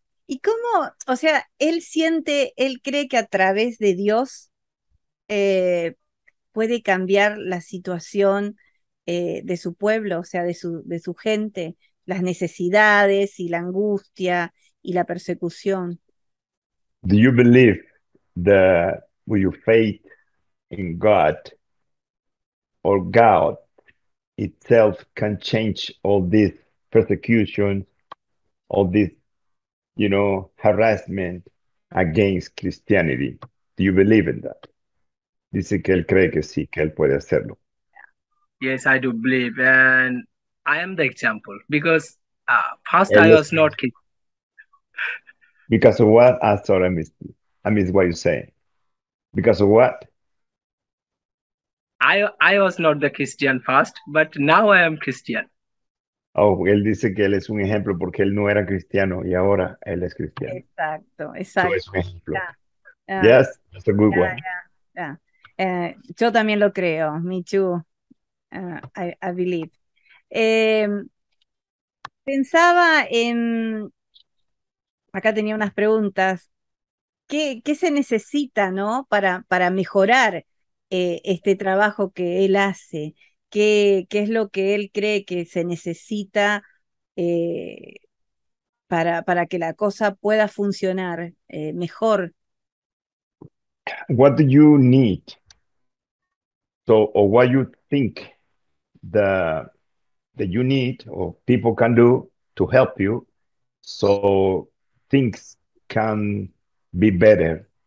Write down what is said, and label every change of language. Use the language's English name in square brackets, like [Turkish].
[Spanish] ¿Y cómo, o sea, él siente, él cree que a través de Dios, puede cambiar la situación de su pueblo, o sea, de su gente, las necesidades y la angustia y la persecución? [English] Do you believe that with your faith in God or God itself can change all this persecution, all this, harassment against Christianity? Do you believe in that? [Spanish] Dice que él cree que sí, que él puede hacerlo. [English] Yes, I do believe, and I am the example because first I [Spanish] Él es [English] was not kidding. Because of what? I thought I missed what you say. Because of what? I was not the Christian first, but now I am Christian. [Spanish] Oh, él dice que él es un ejemplo porque él no era cristiano y ahora él es cristiano. Exacto, Eso es un ejemplo. ya, [English] Yes, that's a good one. [Spanish] ya. Yo también lo creo, Michu. [English] I believe. [Spanish] Pensaba en, acá tenía unas preguntas, ¿qué se necesita, ¿no?, para mejorar este trabajo que él hace? ¿Qué es lo que él cree que se necesita para que la cosa pueda funcionar mejor? [English] What do you need? So, or what you think that you need or people can do to help you so things can be better?